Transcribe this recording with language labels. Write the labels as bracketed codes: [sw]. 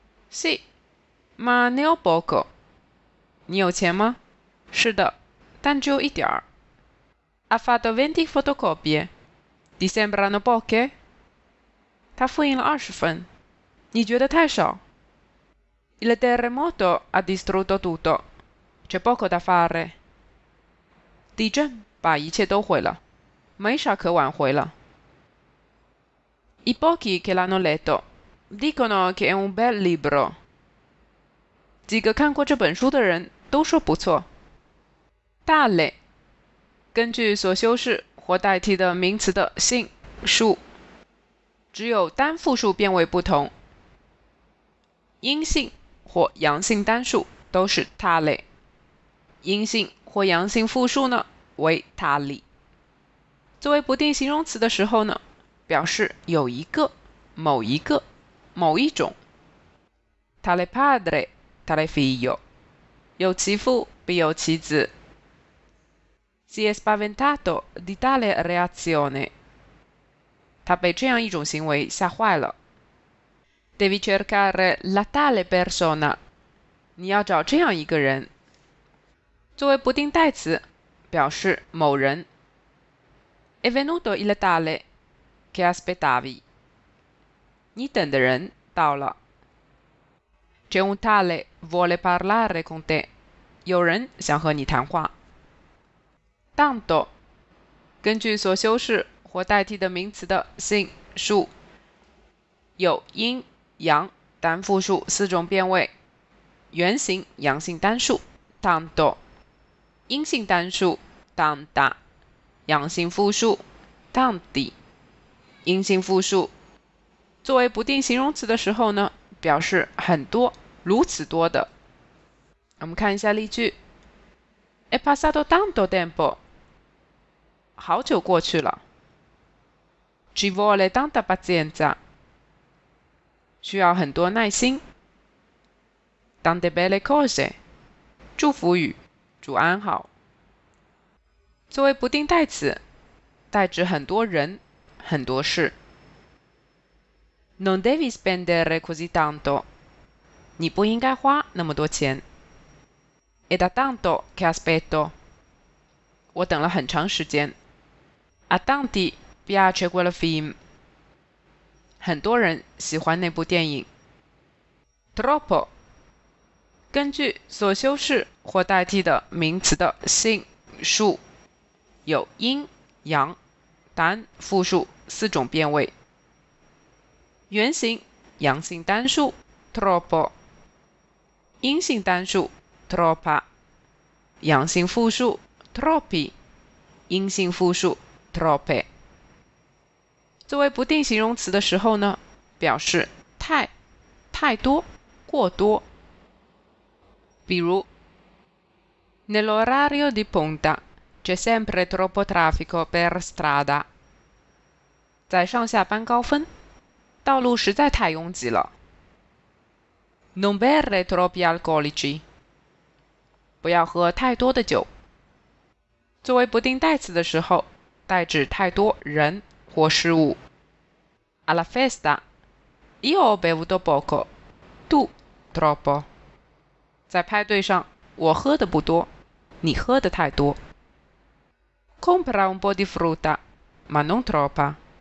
[it] sì， ma ne ho poco， [zh] 你有钱吗？是的，但只有一点儿。 [it] Ha fatto 20 fotocopie， ti sembrano poche？ [zh] 他复印了二十份，你觉得太少 [it] ？Il terremoto ha distrutto tutto， c'è poco da fare。 [zh] 地震把一切都毁了，没啥可挽回了。 [it] I pochi che l'hanno letto dicono che è un bel libro， [zh] 几个看过这本书的人都说不错。大类，根据所修饰或代替的名词的性数，只有单复数变位不同。阴性或阳性单数都是大类，阴性或阳性复数呢为大类。作为不定形容词的时候呢，表示有一个、某一个、某一种。 [it] tale padre tale figlio， [zh] 有其父必有其子。 [it] Si è spaventato di tale reazione， [zh] 他被这样一种行为吓坏了。 [it] Devi cercare la tale persona， [zh] 你要找这样一个人。作为不定代词，表示某人。 [it] È venuto il tale che aspettavi， [zh] 你等的人到了。 [it] C'è un tale vuole parlare con te， [zh] 有人想和你谈话。 Tanto， 根据所修饰或代替的名词的 sin 数，有阴、阳、单复数四种变位。原型阳性单数 tanto， 阴性单数 tanta， 阳性复数 tanti， 阴性复数。作为不定形容词的时候呢，表示很多、如此多的。我们看一下例句 [it] ：È passato tanto tempo。 [zh] 好久过去了。 [it] Ci vuole tanta pazienza， [zh] 需要很多耐心。 [it] Tante belle cose， [zh] 祝福语，祝安好。作为不定代词，代指很多人、很多事。 [it] Non devi spendere così tanto， [zh] 你不应该花那么多钱。 [it] È da tanto che aspetto， [zh] 我等了很长时间。 [it] A tanti piace quel film， [zh] 很多人喜欢那部电影。 [it] Troppo， [zh] 根据所修饰或代替的名词的 sin 数，有阴、阳、单、复数四种变位。原型阳性单数 troppo， 阴性单数 troppa， 阳性复数 troppi， 阴性复数troppe。作为不定形容词的时候呢，表示太、太多、过多。比如 [it] Nell'orario di punta c'è sempre troppo traffico per strada， [zh] 在上下班高峰道路实在太拥挤了。 [it] Non bere troppi alcolici， [zh] 不要喝太多的酒。作为不定代词的时候，代指太多人或事物。 [it] Alla festa io ho bevuto poco， tu troppo， [zh] 在派对上我喝的不多，你喝的太多。 [it] Compra un po' di frutta ma non troppa，